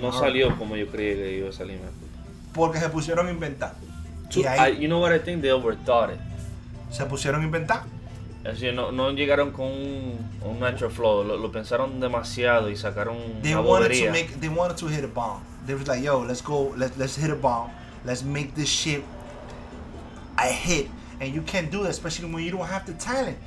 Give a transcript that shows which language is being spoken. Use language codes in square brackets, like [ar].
[es] No salió como yo creí que iba a salir. Porque se pusieron a inventar. [en] You know what I think? They overthought it. [es] Se pusieron a inventar. Es decir, no llegaron con un [en] natural flow, [es] lo pensaron demasiado y sacaron una bobería. [en] They wanted to hit a bomb. They was like, yo, let's hit a bomb. Let's make this shit a hit. And you can't do that, especially when you don't have the talent.